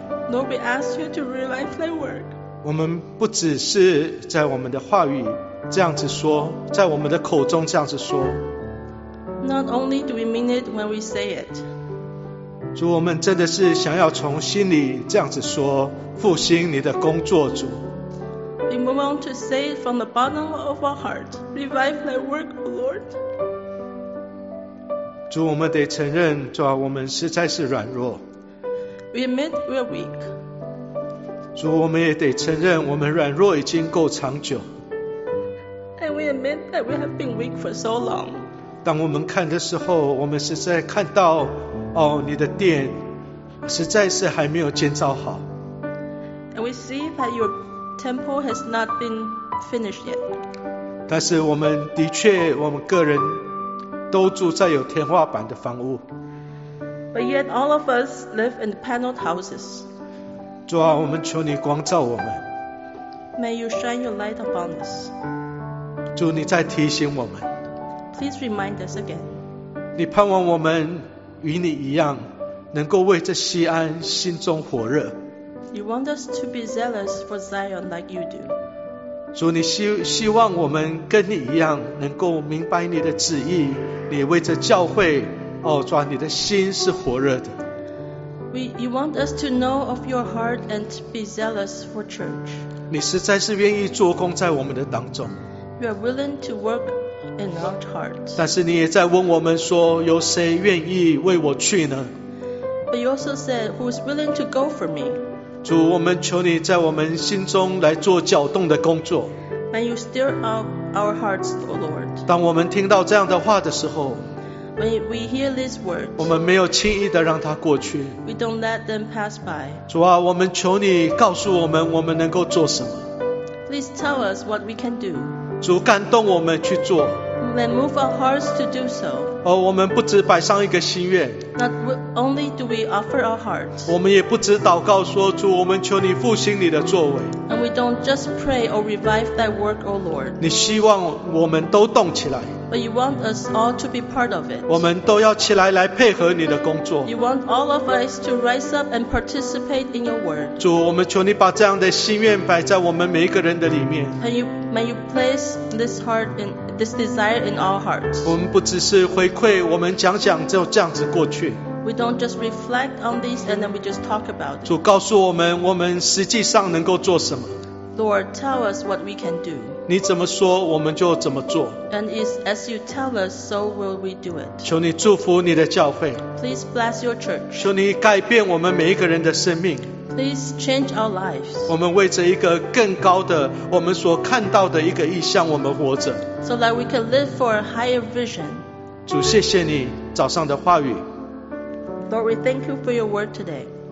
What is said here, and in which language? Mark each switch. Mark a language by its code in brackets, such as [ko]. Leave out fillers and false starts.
[en] Lord, we ask you to revive your work. [zh] 我们不只是在我们的话语这样子说，在我们的口中这样子说。 [en] Not only do we mean it when we say it. [zh] 主，我们真的是想要从心里这样子说，复兴你的工作，主。 [en] We want to say it from the bottom of our heart, revive thy work, Lord. [zh] 主，我们得承认，主啊，我们实在是软弱。 [en] We admit we are weak. [zh] 主，我们也得承认，我们软弱已经够长久。 [en] And we admit that we have been weak for so long. [zh] 当我们看的时候，我们实在看到，哦，你的殿实在是还没有建造好。 [en] And we see that your temple has not been finished yet. [zh] 但是我们的确，我们个人。都住在有天花板的房屋。 [en] But yet all of us live in paneled houses. [zh] 主啊，我们求你光照我们。 [en] May you shine your light upon us. [zh] 主，你再提醒我们。 [en] Please remind us again. [zh] 你盼望我们与你一样，能够为这锡安心中火热。 [en] You want us to be zealous for Zion like you do. [zh] 主，你希望我们跟你一样，能够明白你的旨意。你为这教会，哦，主啊，你的心是火热的。 [en] You want us to know of your heart and be zealous for church. [zh] 你实在是愿意做工在我们的当中。 [en] You are willing to work in our heart. [zh] 但是你也在问我们说，有谁愿意为我去呢？ [en] But you also said, who's willing to go for me? [zh] 主，我们求你在我们心中来做搅动的工作。 [en] May you stir up our hearts, O Lord. [zh] 当我们听到这样的话的时候， [en] When we hear these words, [zh] 我们没有轻易的让它过去。 [en] We don't let them pass by. [zh] 主啊，我们求你告诉我们，我们能够做什么。 [en] Please tell us what we can do. [zh] 主，感动我们去做。 [en] Then move our hearts to do so. [zh] 哦，我们不只摆上一个心愿。 [en] Not only do we offer our hearts. [zh] 我们也不只祷告说，主，我们求你复兴你的作为。 [en] And we don't just pray or revive that work, O Lord. [zh] 你希望我们都动起来。 [en] But you want us all to be part of it. [zh] 我们都要起来来配合你的工作。 [en] You want all of us to rise up and participate in your work. [zh] 主，我们求你把这样的心愿摆在我们每一个人的里面。 [en] And you, may you place this heart in. This desire in our hearts. [zh] 我们不只是回馈，我们讲讲就这样子过去。 [en] We don't just reflect on this and then we just talk about it. [zh] 主告诉我们，我们实际上能够做什么。 [en] Lord, tell us what we can do. [zh] 你怎么说，我们就怎么做。 [en] And as you tell us, so will we do it. [zh] 求你祝福你的教会。 [en] Please bless your church. [zh] 求你改变我们每一个人的生命。 [en] Please change our lives. [zh] 我们为着一个更高的我们所看到的一个意象，我们活着。 [en] So that we can live for a higher vision. [zh] 主，谢谢你早上的话语。 [en] Lord, we thank you for your word today.